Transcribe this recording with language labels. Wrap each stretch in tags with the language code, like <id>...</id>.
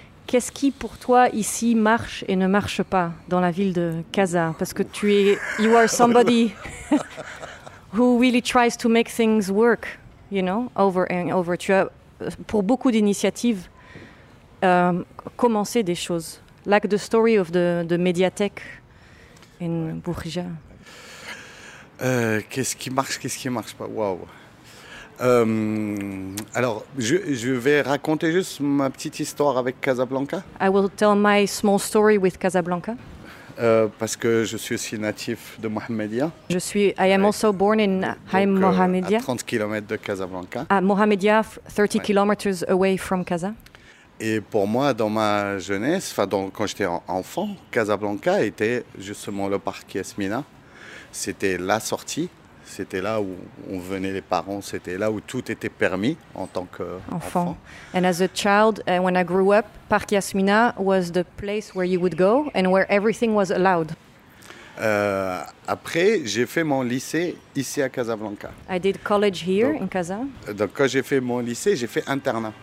<fr>Qu'est-ce qui, pour toi, ici, marche et ne marche pas dans la ville de Casa? Parce que tu es,</fr> <en>you are somebody who really tries to make things work, you know, over and over.</en> <fr>Tu as, pour beaucoup d'initiatives, commencé des choses.</fr> <en>Like the story of the Mediatek in Bourgia.</en> <fr>Qu'est-ce qui marche pas? Wow. Alors, je vais raconter juste ma petite histoire avec Casablanca.</fr> <en>I will tell my small story with Casablanca.</en> <fr>Parce que je suis aussi natif de Mohammedia.</fr> <en>I am also born in Haïm Mohammedia.</en> <fr>À 30 km de Casablanca.</fr> <en>À Mohammedia, 30 kilometers away from Casa.</en> <fr>Et pour moi, dans ma jeunesse, enfin, quand j'étais enfant, Casablanca était justement le parc Yasmina. C'était la sortie. C'était là où on venait les parents, c'était là où tout était permis en tant qu'enfant.</fr> <en>And as a child, when I grew up, Parc Yasmina was the place where you would go and where everything was allowed.</en> <fr>Après, j'ai fait mon lycée ici à Casablanca.</fr> <en>I did college here in Casa.</en> <fr>Donc quand j'ai fait mon lycée, j'ai fait internat.</fr>